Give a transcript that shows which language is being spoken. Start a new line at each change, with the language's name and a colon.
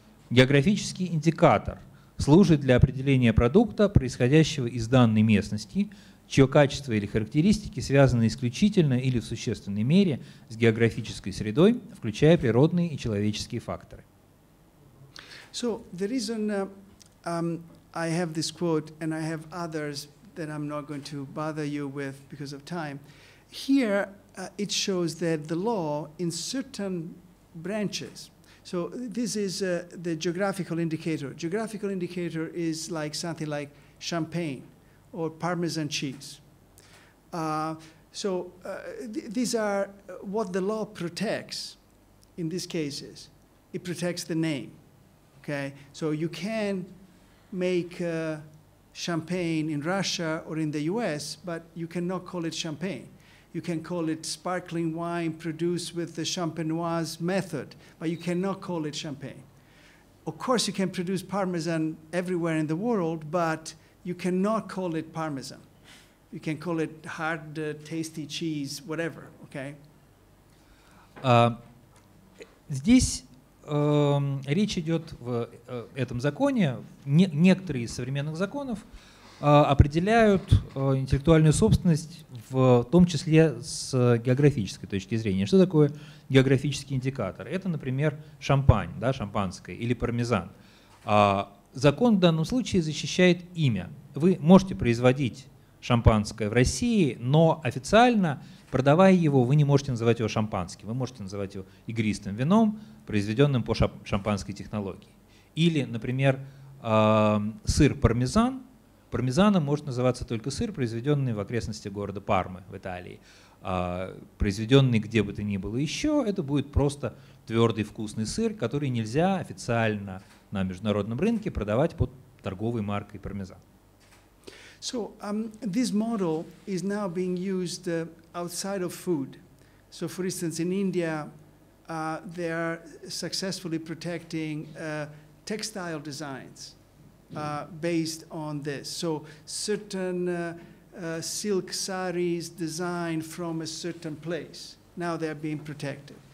Russian: Географический индикатор служит для определения продукта, происходящего из данной местности, чье качество или характеристики связаны исключительно или в существенной мере с географической средой, включая природные и человеческие факторы.
English: So the reason I have this quote and I have others that I'm not going to bother you with because of time, here it shows that the law in certain branches. So this is the geographical indicator. Geographical indicator is like something like champagne or Parmesan cheese. These are what the law protects in these cases. It protects the name, okay? So you can make champagne in Russia or in the US, but you cannot call it champagne. You can call it sparkling wine produced with the Champenoise method, but you cannot call it champagne. Of course, you can produce Parmesan everywhere in the world, but you cannot call it Parmesan. You can call it hard, tasty cheese, whatever, okay?
Russian: Здесь речь идет в этом законе, некоторые из современных законов определяют интеллектуальную собственность в том числе с географической точки зрения. Что такое географический индикатор? Это, например, шампань, да, шампанское или пармезан. Закон в данном случае защищает имя. Вы можете производить шампанское в России, но официально, продавая его, вы не можете называть его шампанским. Вы можете называть его игристым вином, произведенным по шампанской технологии. Или, например, сыр пармезан. Пармезаном может называться только сыр, произведенный в окрестностях города Пармы в Италии. Произведенный где бы то ни было еще, это будет просто твердый вкусный сыр, который нельзя официально на международном рынке продавать под торговой маркой пармезан.
English: So this model is now being used outside of food. So for instance, in India, they are successfully protecting textile designs. Based on this. So certain silk saris designed from a certain place, now they're being protected.